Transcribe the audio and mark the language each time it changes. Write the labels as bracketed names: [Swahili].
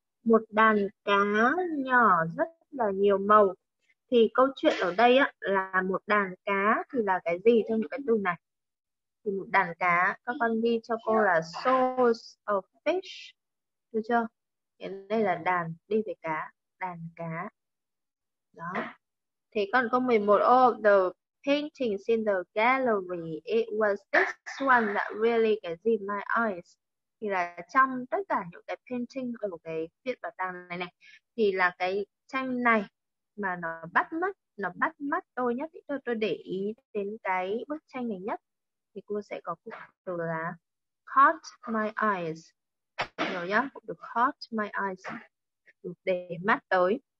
[Vietnamese] Một đàn cá nhỏ rất là nhiều màu. Thì câu chuyện ở đây á, là một đàn cá thì là cái gì trong cái từ này? Thì một đàn cá, các con ghi cho cô là [English] shoals of fish. [Vietnamese] Được chưa? Thì đây là đàn, đi về cá, đàn cá. Đó. Thì còn câu 11, [English] oh, the paintings in the gallery, it was this one that really gets in my eyes. [Vietnamese] Thì là trong tất cả những cái painting ở cái viện bảo tàng này này thì là cái tranh này mà nó bắt mắt tôi nhất, tôi để ý đến cái bức tranh này nhất, thì cô sẽ có cụm từ là [English] caught my eyes, [Vietnamese] hiểu nhá, được, caught my eyes, được để mắt tới.